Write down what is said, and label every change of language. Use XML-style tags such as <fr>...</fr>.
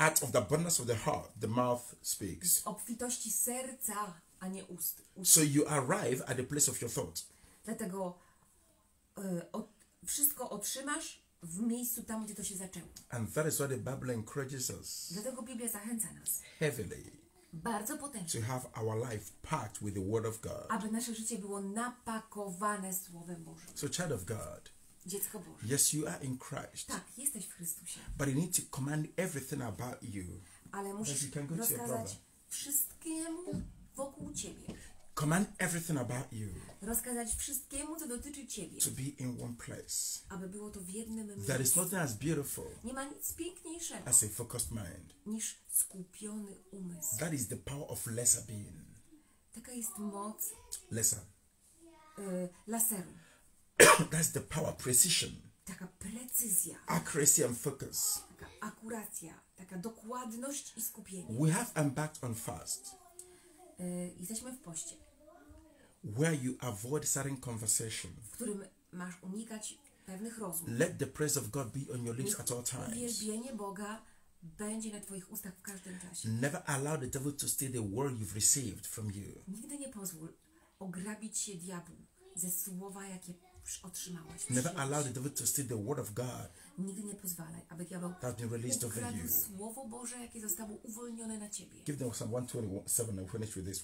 <en>Out of the abundance of the heart, the mouth speaks.</en> <pl>Z obfitości serca, a nie ust.</pl> <en>So you arrive at the place of your thought.</en> <pl>Dlatego wszystko otrzymasz w miejscu tam, gdzie to się zaczęło.</pl> <en>And that is what the Bible encourages us.</en> <pl>Dlatego Biblia zachęca nas.</pl> <en>Heavily.</en> <pl>Bardzo potężnie.</pl> <en>To have our life packed with the word of God.</en> <pl>Aby nasze życie było napakowane słowem Bożym.</pl> <en>So child of God.</en> <pl>Dziecko Boże.</pl> <en>Yes, you are in Christ.</en> <pl>Tak, jesteś w Chrystusie.</pl> <en>But you need to command everything about you.</en> <pl>Ale musisz rozkazać wszystkiemu wokół ciebie.</pl> <en>Command everything about you.</en> <pl>Rozkazać wszystkiemu, co dotyczy ciebie.</pl> <en>To be in one place.</en> <pl>Aby było to w jednym miejscu.</pl> <en>There is nothing as beautiful.</en> <pl>Nie ma nic piękniejszego.</pl> <en>As a focused mind.</en> <pl>Niż skupiony umysł.</pl> <en>That is the power of lesser being.</en> <pl>Taka jest moc.</pl> <en>Lesser.</en> <pl>Laseru.</pl> <en>That's the power, precision.</en> <pl>Taka precyzja.</pl> <en>Accuracy and focus.</en> <pl>Taka akuracja, taka dokładność i skupienie.</pl> <en>We have embarked on fast.</en> <pl>Jesteśmy w poście.</pl> <en>Where you avoid certain conversation.</en> <pl>W którym masz unikać pewnych rozmów.</pl> <en>Let the praise of God be on your lips at all times.</en> <pl>Uwielbienie Boga będzie na twoich ustach w każdym czasie.</pl> <en>Never allow the devil to steal the word you've received from you.</en> <pl>Nigdy nie pozwól ograbić się diabłu ze słowa, jakie otrzymałeś.</pl> <en>Never allow the devil to steal the word of God.</en> <pl>Nigdy nie pozwalaj, aby diabeł ukradł słowo Boże, jakie zostało uwolnione na ciebie.</pl> <en>Give them Psalm 127 and finish with this.</en>